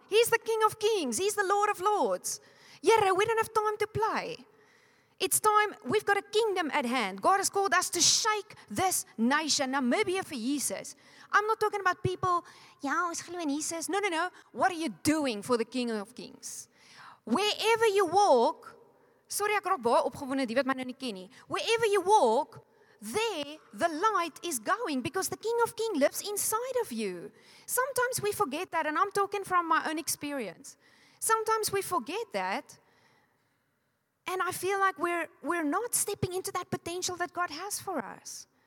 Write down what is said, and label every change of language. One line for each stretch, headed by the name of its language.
English: He's the King of Kings. He's the Lord of Lords. Here, we don't have time to play. It's time, we've got a kingdom at hand. God has called us to shake this nation, Namibia, for Jesus. I'm not talking about people,
Afrikaans: ons glo in Jesus.
English: No, no, no. What are you doing for the King of Kings? Wherever you walk, sorry,
Afrikaans: ek raak baie opgewonde, die wat my nou nie ken nie.
English: Wherever you walk, there the light is going because the King of Kings lives inside of you. Sometimes we forget that, and I'm talking from my own experience. Sometimes we forget that, and I feel like we're not stepping into that potential that God has for us.